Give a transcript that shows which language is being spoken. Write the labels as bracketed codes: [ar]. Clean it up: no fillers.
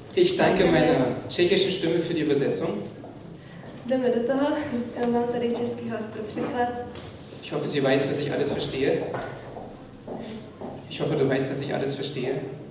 [de] Ich danke meiner tschechischen Stimme für die Übersetzung. [cs] Jdeme do toho. Já mám tady český host pro překlad. [de] Ich hoffe, sie weiß, dass ich alles verstehe. Ich hoffe, du weißt, dass ich alles verstehe.